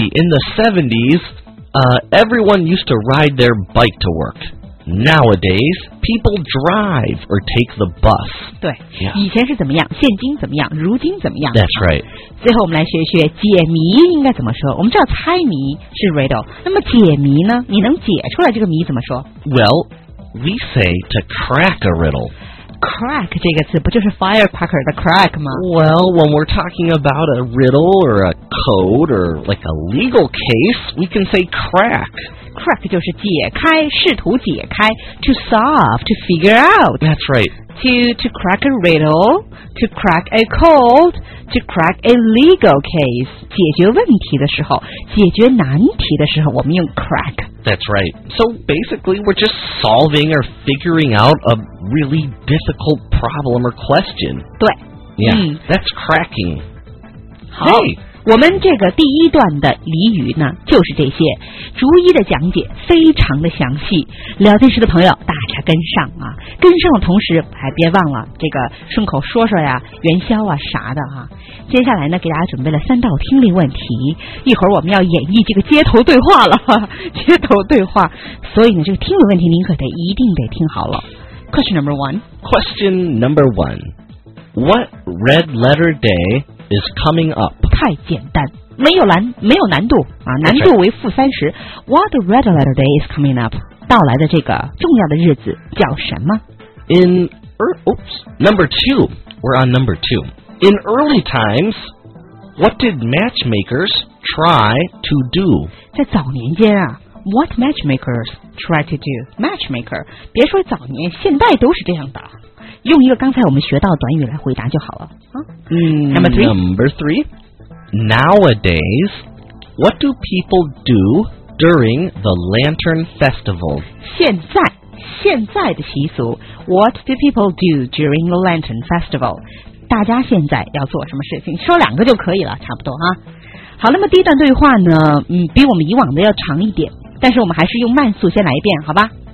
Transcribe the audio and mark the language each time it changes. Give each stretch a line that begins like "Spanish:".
English: In the 70s, everyone used to ride their bike to work. Nowadays, people drive or take the bus.
Chinese: 对，
English: yeah.
Chinese: 以前是怎么样，现今怎么样，如今怎么样。
English: That's right.
Chinese: 最后我们来学学解谜应该怎么说。我们知道猜谜是 riddle， 那么解谜呢？你能解出来这个谜怎么说？
English: Well, we say to crack a riddle.
Chinese: Crack 这个词不就是 firecracker 的 crack 吗？
English: Well, when we're talking about a riddle or a code or like a legal case, we can say crack.
Chinese: Crack 就是解开，试图解开 ，
English: to solve, to figure out. That's right. To crack a riddle, to crack a cold, to crack a legal case.
Chinese: 解决问题的时候，解决难题的时候，我们用 crack.
English: That's right. So basically, we're just solving or figuring out a really difficult problem or question.
Chinese: 对
English: ，Yeah,、mm. that's cracking.
Chinese: 好。
English: Hey.
Chinese: 我们这个第一段的俚语呢，就是这些，逐一的讲解非常的详细。聊天室的朋友，大家跟上啊！跟上的同时，还别忘了这个顺口说说呀、元宵啊啥的啊。接下来呢，给大家准备了三道听力问题，一会儿我们要演绎这个街头对话了，街头对话。所以呢，这个听力问题您可得一定得听好了。
English: Question number one. Question number one. What red letter day is coming up?
Chinese: 太简单，没有难度啊，难度为负三十。
English: What red letter day is coming up?
Chinese: 到来的这个重要的日子叫什么
English: ？In oops, number two, we're on number two. In early times, what did matchmakers try to do?
Chinese: 在早年间啊 ，
English: what matchmakers try to do?
Chinese: Matchmaker， 别说早年，现在都是这样的。用一个刚才我们学到的短语来回答就好了啊。
English: Number three. Nowadays, what do people do during the Lantern Festival?
Chinese: 现在的习俗
English: What do people do during the Lantern Festival?
Chinese: 大家现在要做什么事情？说两个就可以了，差不多啊。好，那么第一段对话呢，比我们以往的要长一点，但是我们还是用慢速先来一遍，好吧